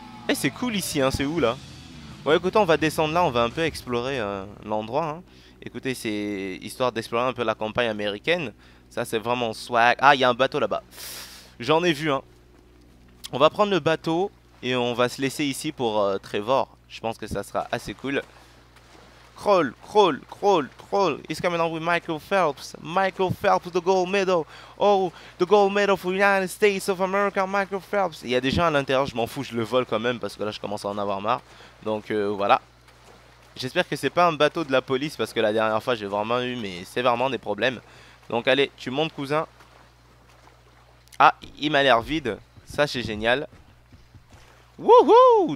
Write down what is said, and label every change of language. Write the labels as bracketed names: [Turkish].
[French] Eh hey, c'est cool ici hein, c'est où là? Ouais écoutez, on va descendre là, on va un peu explorer l'endroit hein. Écoutez, c'est histoire d'explorer un peu la campagne américaine. Ça c'est vraiment swag. Ah, il y a un bateau là-bas. J'en ai vu un. On va prendre le bateau et on va se laisser ici pour Trevor. Je pense que ça sera assez cool. [English] Crawl, crawl, crawl, crawl. He's coming on with Michael Phelps. Michael Phelps, the gold medal. Oh, the gold medal for United States of America, Michael Phelps. [French] Il y a des gens à l'intérieur, je m'en fous, je le vole quand même parce que là, je commence à en avoir marre. Donc, voilà. J'espère que c'est pas un bateau de la police parce que la dernière fois, j'ai vraiment eu, mais c'est vraiment des problèmes. Donc, allez, tu montes, cousin. Ah, il m'a l'air vide. Ça, c'est génial. Wouhou!